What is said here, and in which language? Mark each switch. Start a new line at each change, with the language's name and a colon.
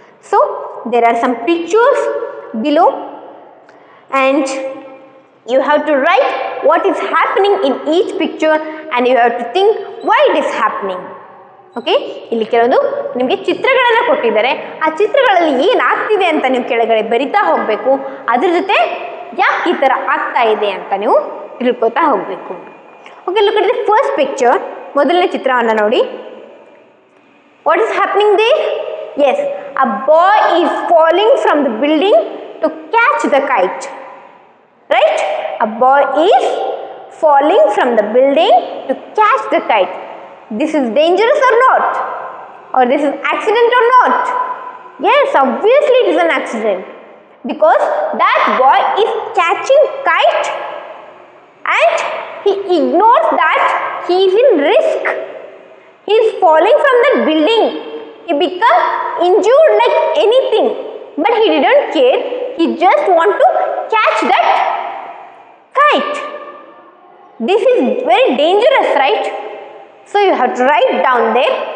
English: So there are some pictures below and you have to write what is happening in each picture and you have to think why it is happening.
Kannada: Okay, ಇಲ್ಲಿ ಕೆಲವೊಂದು ನಿಮಗೆ ಚಿತ್ರಗಳನ್ನು ಕೊಟ್ಟಿದ್ದಾರೆ. ಆ ಚಿತ್ರಗಳಲ್ಲಿ ಏನಾಗ್ತಿದೆ ಅಂತ ನೀವು ಕೆಳಗಡೆ ಬರಿತಾ ಹೋಗಬೇಕು. ಅದ್ರ ಜೊತೆ ಯಾಕೆ ಈ ಥರ ಆಗ್ತಾ ಇದೆ ಅಂತ ನೀವು ತಿಳ್ಕೊತಾ ಹೋಗಬೇಕು.
English: Okay, look at the first picture.
Kannada: ಮೊದಲನೇ ಚಿತ್ರವನ್ನು ನೋಡಿ.
English: What is happening there? Yes, a boy is falling from the building to catch the kite. Right, a boy is falling from the building to catch the kite. This is dangerous or not? Or this is accident or not? Yes, obviously it is an accident because that boy is catching kite and he ignores that he is in risk. He is falling from that building. He become injured like anything. But he didn't care. He just want to catch that kite. This is very dangerous, right? So you have to write down there.